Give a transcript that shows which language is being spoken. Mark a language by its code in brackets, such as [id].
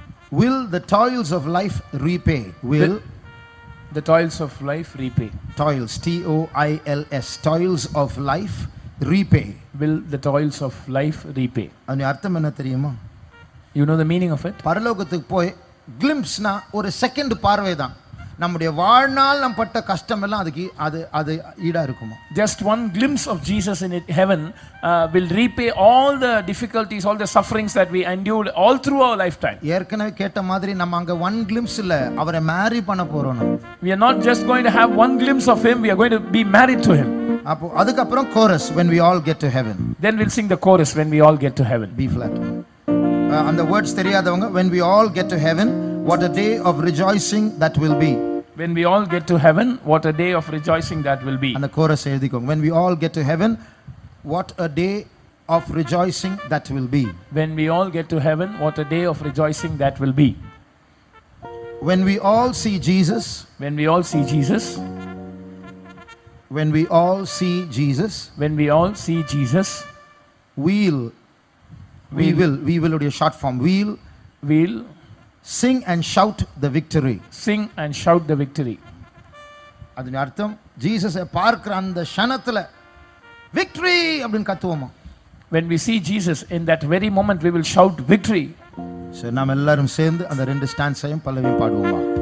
[en] will the toils of life repay, will the toils of life repay, toils, t o I l s, toils of life repay, will the toils of life repay. [ta] Ani artham enna theriyuma, [en] you know the meaning of it, [ta] paralogathukku poi glimpse na or second paarvai dhaan நம்முடைய வாழ்நாள் நம்ம பட்ட கஷ்டம் எல்லாம் அதுக்கு அது அது ஈடா இருக்குமா. [en] Just one glimpse of Jesus in it, heaven will repay all the difficulties, all the sufferings that we endured all through our lifetime. [ta] ஏற்கனவே கேட்ட மாதிரி நம்ம அங்க one glimpse இல்ல அவரை marry பண்ண போறோம். [en] We are not just going to have one glimpse of him, we are going to be married to him. [ta] அப்போ அதுக்கு அப்புறம் [en] chorus, when we all get to heaven, then we'll sing the chorus, when we all get to heaven, B flat. And the words [ta] தெரியாதவங்க, [en] when we all get to heaven, what a day of rejoicing that will be. When we all get to heaven, what a day of rejoicing that will be. And the chorus [ta] எழுதிக்கோங்க, [en] when we all get to heaven, what a day of rejoicing that will be. When we all get to heaven, what a day of rejoicing that will be. When we all see Jesus, when we all see Jesus, when we all see Jesus, when we all see Jesus, we will உடைய short form, we'll sing and shout the victory, sing and shout the victory. [ta] அதுని அர்த்தம் ஜீசஸ பார்க்கற அந்த ஷணத்துல victory அப்படினு கத்துவோமா. [en] When we see Jesus, in that very moment we will shout victory. [ta] So நாம எல்லாரும் சேர்ந்து அந்த ரெண்டு ஸ்டான்ஸையும் பல்லவியும் பாடுவோமா.